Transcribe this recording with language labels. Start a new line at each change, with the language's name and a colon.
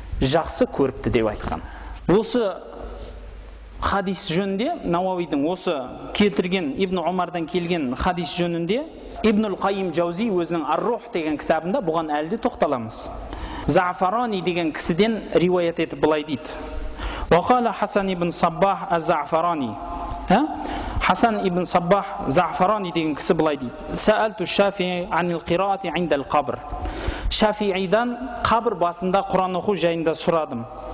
Kazakh: Жақсы көріпті деп айтқан. Осы хадис жөнінде Науавидің осы келтірген Ибн Умардан келген хадис жөнінде Ибнул Қайым Джаузи өзінің Ар-Рух деген кітабында бұған әлде тоқталамыз. Зафарани деген кісіден риуаят етіп былай дейді.
Arabic: وقال حسن ابن صباح الزعفراني حسن ابن صباح زعفراني деген кісі былай дейді. سألت الشافعي عن القراءة عند القبر.
Kazakh: Шафиидан қабір басында Құран оқу жайында сұрадым.